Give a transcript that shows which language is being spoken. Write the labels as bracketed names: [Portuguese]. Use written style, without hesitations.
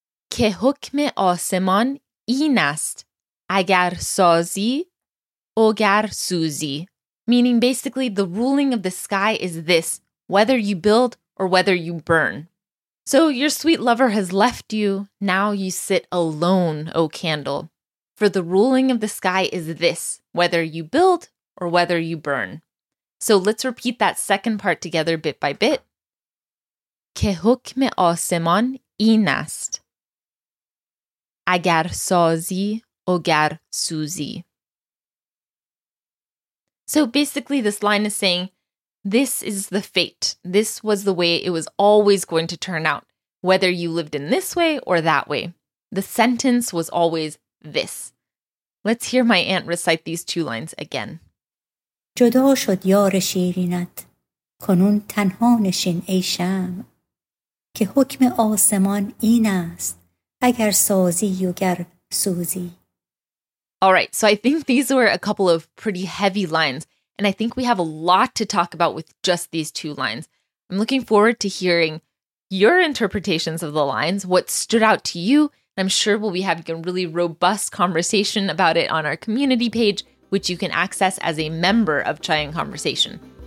[Persian] که حکم آسمان این است اگر سازی او گر سوزی. [English] Meaning basically the ruling of the sky is this, whether you build or whether you burn. So your sweet lover has left you, now you sit alone, O candle. For the ruling of the sky is this, whether you build or whether you burn. So let's repeat that second part together bit by bit. [Persian] که حکم آسمان این است اگر سازی و گر سوزی. [English] So basically this line is saying, this is the fate. This was the way it was always going to turn out, whether you lived in this way or that way. The sentence was always this. Let's hear my aunt recite these two lines again. [Persian] جدا شد یار شیرینت، کنون تنها نشین ای شمع، که حکم آسمان این است اگر سازی و گر سوزی. [English] All right, so I think these were a couple of pretty heavy lines, and I think we have a lot to talk about with just these two lines. I'm looking forward to hearing your interpretations of the lines, what stood out to you, and I'm sure we'll be having a really robust conversation about it on our community page, which you can access as a member of Chaiyan Conversation.